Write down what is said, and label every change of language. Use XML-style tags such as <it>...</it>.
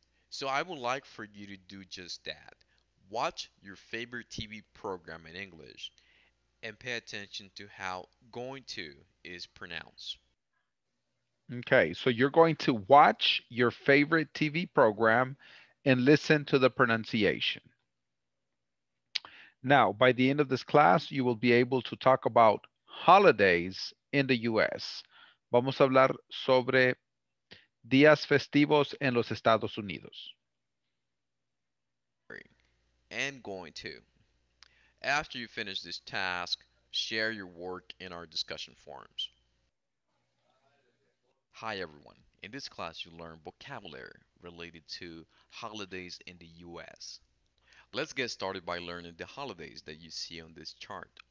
<en>So I would like for you to do just that. Watch your favorite TV program in English and pay attention to how going to is pronounced. Okay, so you're going to watch your favorite TV program and listen to the pronunciation. Now, by the end of this class, you will be able to talk about holidays in the U.S.</en> <es>Vamos a hablar sobre días festivos en los Estados Unidos.</es> <en>And going to. After you finish this task, share your work in our discussion forums. Hi everyone. In this class, you learn vocabulary related to holidays in the U.S. Let's get started by learning the holidays that you see on this chart.</en>